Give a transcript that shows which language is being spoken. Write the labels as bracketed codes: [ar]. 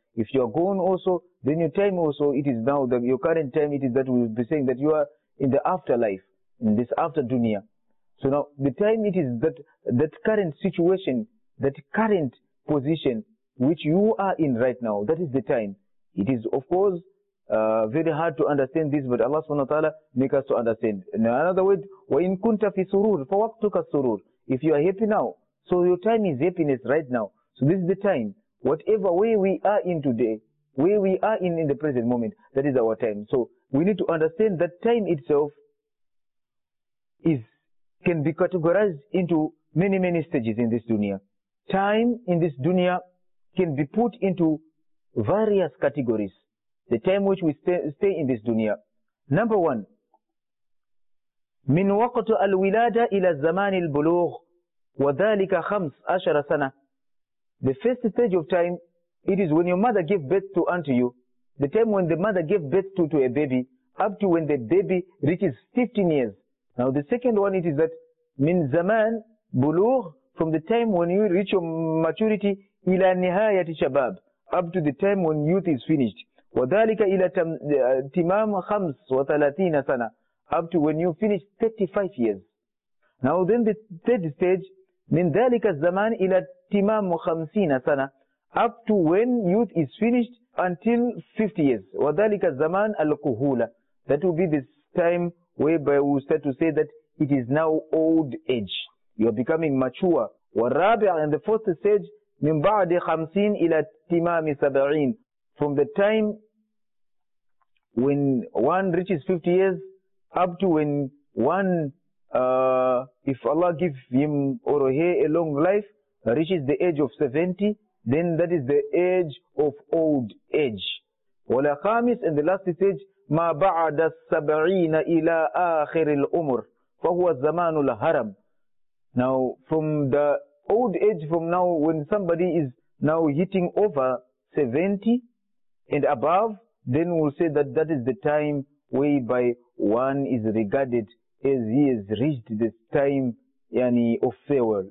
[en] If you are gone also, then your time also, it is now, your current time, it is that we will be saying that you are in the afterlife, in this after dunya. So now, the time, it is that current situation, that current position which you are in right now, that is the time. It is, of course, very hard to understand this, but Allah subhanahu wa ta'ala make us to understand. In another word, [ar] وَإِنْ كُنْتَ فِي سُرُورٍ فَوَقْتُكَ السُرُورِ. [en] If you are happy now, so your time is happiness right now. So this is the time. Whatever way we are in today, where we are in the present moment, that is our time. So we need to understand that time itself can be categorized into many, many stages in this dunya. Time in this dunya can be put into various categories. The time which we stay in this dunya. Number one, [ar] من وقت الولادة إلى زمان البلوغ وذلك خمس عشر سنة. [en] The first stage of time, it is when your mother gave birth to unto you. The time when the mother gave birth to a baby, up to when the baby reaches 15 years. Now the second one, it is that [ar] من زمان بلوغ, [en] from the time when you reach your maturity, [ar] إلى نهاية شباب, [en] up to the time when youth is finished. [ar] وذلك إلى تمام خمس وثلاثين سنة, [en] up to when you finish 35 years. Now then the third stage, [ar] من ذلك الزمان إلى اتمام 50 سنة [en] up to when youth is finished until 50 years [ar] وذلك زمان الكهولة. [en] That will be this time whereby we start to say that it is now old age. You are becoming mature. [ar] والرابع [en] and the fourth stage [ar] من بعد 50 إلى اتمام 70. [en] From the time when one reaches 50 years up to when one, if Allah give him or her a long life, reaches the age of 70, then that is the age of old age. [ar] ولا خامس [en] and the last stage [ar] ما بعد السبعين إلى آخر الأمر فهو الزمان الهرم. [en] Now from the old age, from now when somebody is now hitting over 70 and above, then we'll say that that is the time whereby one is regarded as he has reached this time yani of farewell.